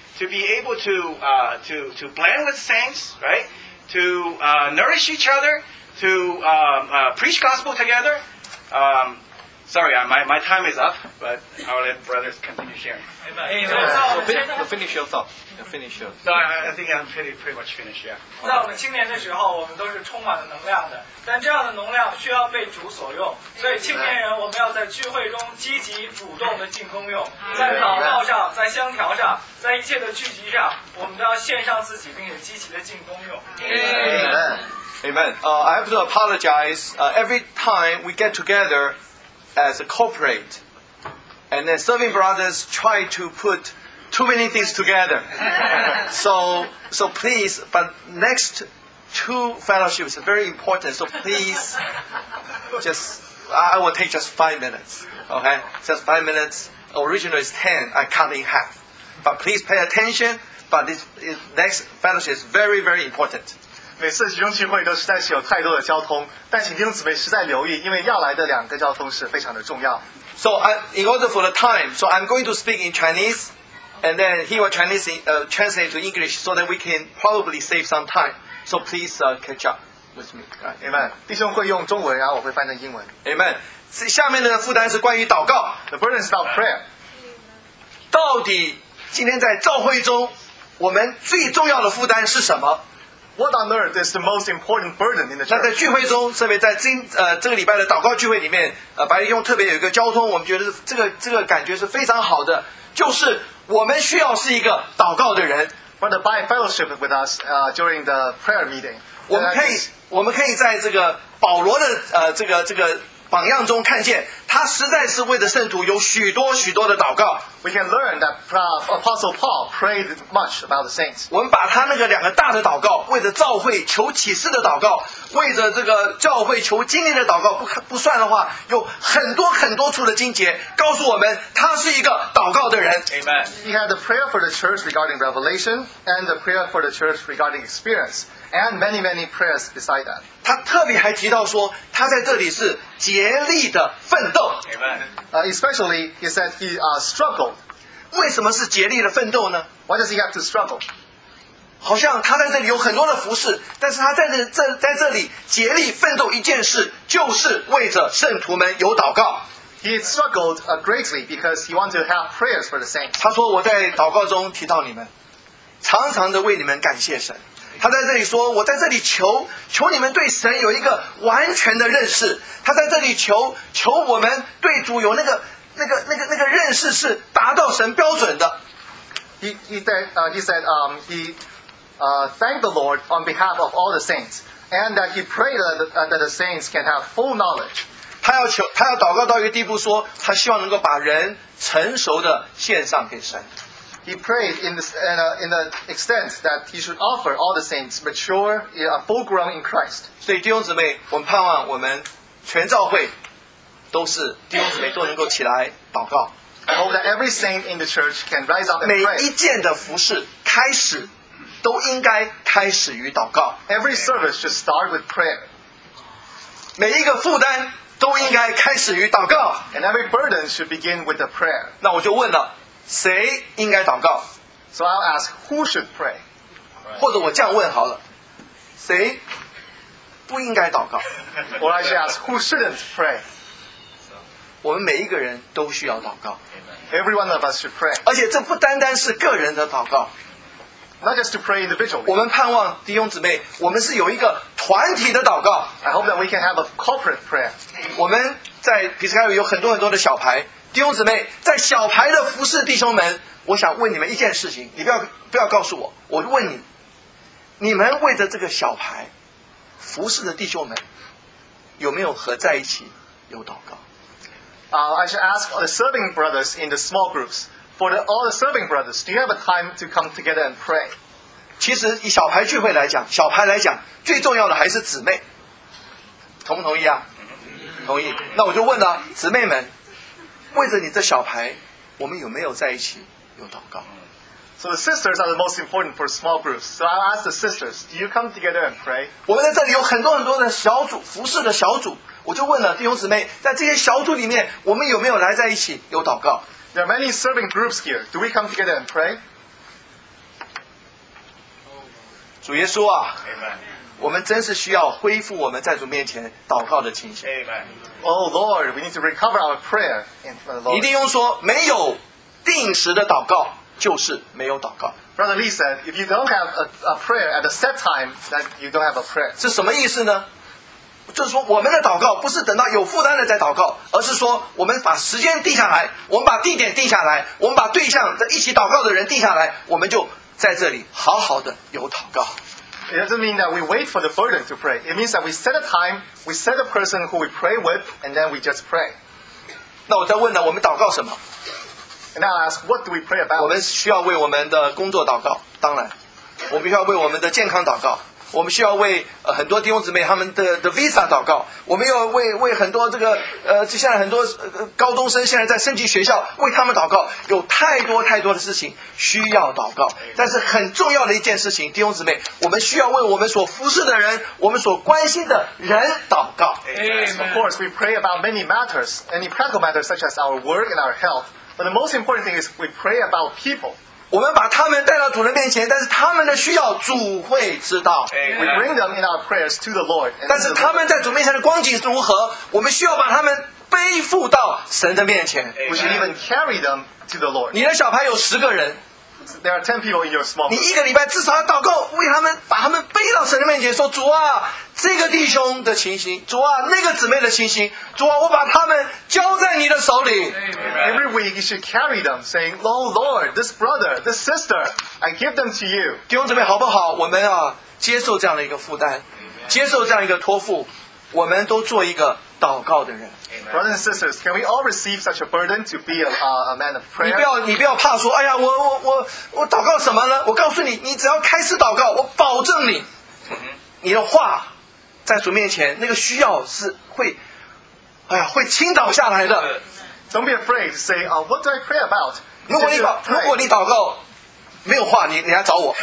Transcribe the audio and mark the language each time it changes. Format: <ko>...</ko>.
<en>To be able to blend with saints, right? To nourish each other, to preach gospel together. Sorry, my time is up, but I'll let brothers continue sharing. Finish your thought. No, I think I'm pretty much finished, yeah.</en> <zh>在我们青年的时候，我们都是充满了能量的，但这样的能量需要被主所用。所以青年人，我们要在聚会中积极主动的进攻用，在祷告上，在香条上，在一切的聚集上，我们都要献上自己，并且积极的进攻用。</zh> <en>Amen. I have to apologize. Every time we get together. As a corporate, and then serving brothers try to put too many things together. So please, but next two fellowships are very important, so please, just, I will take just 5 minutes, okay? Just 5 minutes, original is 10, I cut in half. But please pay attention, but this next fellowship is very, very important.</en> <zh>每次集中聚会都实在是有太多的交通，但请弟兄姊妹实在留意，因为要来的两个交通是非常的重要。</zh> <en>So in order for the time, so I'm going to speak in Chinese, and then he will translate to English, so that we can probably save some time. So please catch up with me. Amen.</en> <zh>弟兄会用中文，然后我会翻成英文。</zh> <en>Amen.</en> <zh>下面的负担是关于祷告。</zh> <en>The burden is about prayer.</en> <zh>到底今天在召会中，我们最重要的负担是什么？</zh> <en>What on earth is the most important burden in the church?</en> <zh>那在聚会中，特别在这个礼拜的祷告聚会里面，白弟兄特别有一个交通，我们觉得这个感觉是非常好的，就是我们需要是一个祷告的人。</zh> <en>But by fellowship with us, during the prayer meeting,</en> <zh>我们可以在这个保罗的这个榜样中看见，他实在是为了圣徒有许多许多的祷告。</zh> <en>We can learn that Apostle Paul prayed much about the saints.</en> <zh>我们把他那个两个大的祷告，为着召会求启示的祷告，为着这个教会求经历的祷告，不算的话，有很多很多处的经节告诉我们，他是一个祷告的人。</zh> <en>Amen. He had the prayer for the church regarding revelation, and the prayer for the church regarding experience, and many many prayers beside that.</en> <zh>他特别还提到说，他在这里是竭力的奋斗。</zh> <en>Amen. Especially, he said he struggled.</en> <zh>为什么是竭力的奋斗呢</zh> <en>？Why does he have to struggle？</en> <zh>好像他在这里有很多的服事，但是他在这里竭力奋斗一件事，就是为着圣徒们有祷告。</zh> <en>He struggled greatly because he wanted to have prayers for the saints.</en> <zh>他说我在祷告中提到你们，常常的为你们感谢神。他在这里说我在这里求你们对神有一个完全的认识。他在这里求我们对主有那个认识是达到神标准的。</zh> <en>He thanked the Lord on behalf of all the saints, and that he prayed that the saints can have full knowledge.</en> <zh>他要祷告到一个地步说，说他希望能够把人成熟的献上给神。</zh> <en>He prayed in the extent that he should offer all the saints mature, full grown in Christ.</en> <zh>所以弟兄姊妹，我们盼望我们全召会。都是弟兄姊妹都能够起来祷告。</zh> <en>I hope that every saint in the church can rise up and pray.</en> <zh>每一件的服事开始都应该开始于祷告。</zh> <en>Every service should start with prayer.</en> <zh>每一个负担都应该开始于祷告。</zh> <en>And every burden should begin with a prayer.</en> <zh>那我就问了，谁应该祷告</zh> <en>？So I'll ask who should pray.</en> <zh>或者我这样问好了，谁不应该祷告</zh> <en>？Or I should ask who shouldn't pray.</en> <zh>我们每一个人都需要祷告。</zh> <en>Every one of us should pray.</en> <zh>而且这不单单是个人的祷告。</zh> <en>Not just to pray individually.</en> <zh>我们盼望弟兄姊妹，我们是有一个团体的祷告。</zh> <en>I hope that we can have a corporate prayer.</en> <zh>我们在皮斯凯里有很多很多的小牌，弟兄姊妹，在小牌的服侍弟兄们，我想问你们一件事情，你不要告诉我，我问你，你们为着这个小牌服侍的弟兄们，有没有和在一起有祷告？</zh> <en>I should ask the serving brothers in the small groups. For all the serving brothers, do you have a time to come together and pray?</en> <zh>其实以小牌聚会来讲，小牌来讲，最重要的还是姊妹，同不同意啊？同意。那我就问了，姊妹们，为着你这小牌，我们有没有在一起有祷告？</zh> <en>So the sisters are the most important for small groups. So I'll ask the sisters, do you come together and pray?</en> <zh>我们在这里有很多很多的小组，服侍的小组。我就问了弟兄姊妹，在这些小组里面，我们有没有来在一起有祷告？</zh> <en>There are many serving groups here. Do we come together and pray?</en> <zh>主耶稣啊，</zh> <en>Amen.</en> <zh>我们真是需要恢复我们在主面前祷告的情形。</zh> <en>Amen. Oh Lord, we need to recover our prayer in front of the Lord.</en> <zh>弟兄说，没有定时的祷告就是没有祷告。</zh> <en>Brother Lee said, if you don't have a prayer at a set time, then you don't have a prayer.</en> <zh>是什么意思呢？就是说我们的祷告不是等到有负担了再祷告，而是说我们把时间定下来，我们把地点定下来，我们把对象一起祷告的人定下来，我们就在这里好好的有祷告。</zh> <en>It doesn't mean that we wait for the burden to pray. It means that we set a time, we set a person who we pray with, and then we just pray.</en> <zh>那我再问呢，我们祷告什么？</zh> <en>And now I ask, what do we pray about?</en> <zh>我们需要为我们的工作祷告，当然我们需要为我们的健康祷告，我们需要为很多弟兄姊妹他们的 visa 祷告，我们要为很多这个现在很多高中生现在在升级学校为他们祷告，有太多太多的事情需要祷告。但是很重要的一件事情，弟兄姊妹，我们需要为我们所服侍的人，我们所关心的人祷告。</zh> <en>Amen. Of course, we pray about many matters, any practical matters such as our work and our health. But the most important thing is we pray about people.</en> <zh>我们把他们带到主人面前，但是他们的需要主会知道。</zh> <en>We bring them in our prayers to the Lord.</en> <zh>但是他们在主面前的光景如何，我们需要把他们背负到神的面前。</zh> <en>We should even carry them to the Lord.</en> <zh>你的小牌有十个人。</zh> <en>There are 10 people in your small group.</en> <zh>你一个礼拜至少要祷告，为他们把他们背到神的面前，说主啊，这个弟兄的情形，主啊，那个姊妹的情形，主啊，我把他们交在你的手里。</zh> <en>Every week you should carry them, saying, "Oh Lord, this brother, this sister, I give them to you."</en> <zh>弟兄姊妹，好不好？我们啊，接受这样的一个负担，接受这样一个托付，我们都做一个祷告的人。</zh> <en>Amen. Brothers and sisters, can we all receive such a burden to be a man of prayer?</en> <zh>你不要怕说，哎呀，我祷告什么呢？我告诉你，你只要开始祷告，我保证你，你的话在主面前那个需要是会，哎呀，会倾倒下来的。</zh> <en>Don't be afraid to say, what do I pray about?</en> <zh>如果你祷告没有话，你来找我。</zh>